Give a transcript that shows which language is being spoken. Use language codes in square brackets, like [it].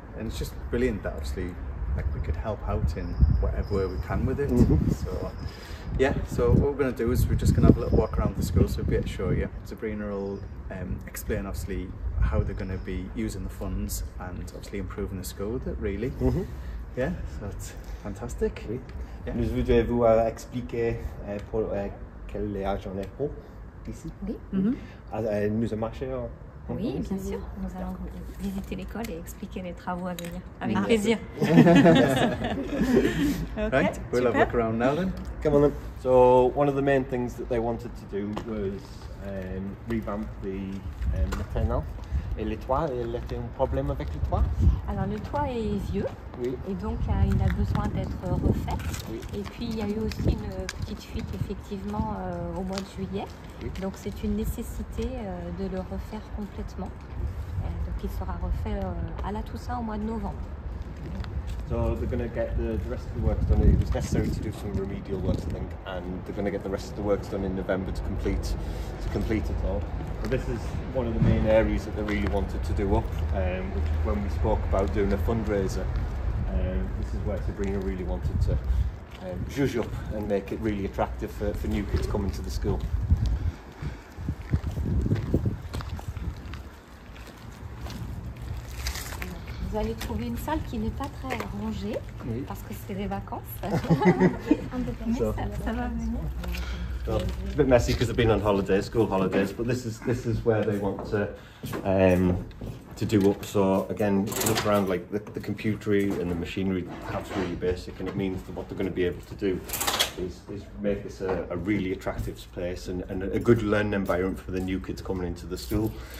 [en] And it's just brilliant that obviously like we could help out in whatever way we can with it. Mm-hmm. So what we're going to do is we're just going to have a little walk around the school, so we'll be able to show you. Sabrina will explain, obviously, how they're going to be using the funds and obviously improving the school with it, really. Mm-hmm. Yeah, so that's fantastic. Oui. Yeah. [fr] Nous voudrions vous expliquer pour quel léage on est pour ici. Oui. Mm-hmm. Nous avons marché. Oui, bien sûr. Nous allons visiter l'école et expliquer les travaux à venir. Avec plaisir. [en] Okay. Right, we'll have a look around now then. Come on then. So one of the main things that they wanted to do was revamp the maternelle. [fr] Et le toit, il était un problème avec le toit? Alors le toit est vieux. Oui. Et donc il a besoin d'être refait. Oui. Et puis il y a eu aussi une petite fuite effectivement au mois de juillet. Oui. Donc c'est une nécessité de le refaire complètement. Donc il sera refait à la Toussaint au mois de novembre. [en] So they're going to get the rest of the works done. It was necessary to do some remedial works, I think, and they're going to get the rest of the works done in November to complete it all. But this is one of the main areas that they really wanted to do up. When we spoke about doing a fundraiser, this is where Sabrina really wanted to zhuzh up and make it really attractive for new kids coming to the school. [fr] Vous allez trouver une salle qui n'est pas très rangée, oui, parce que c'est des vacances. [en] It's a bit messy because I've been on holidays, school holidays, but this is where they want to do up. So again, look around, like the computer and the machinery, that's really basic, and it means that what they're going to be able to do is make this a really attractive place and a good learning environment for the new kids coming into the school.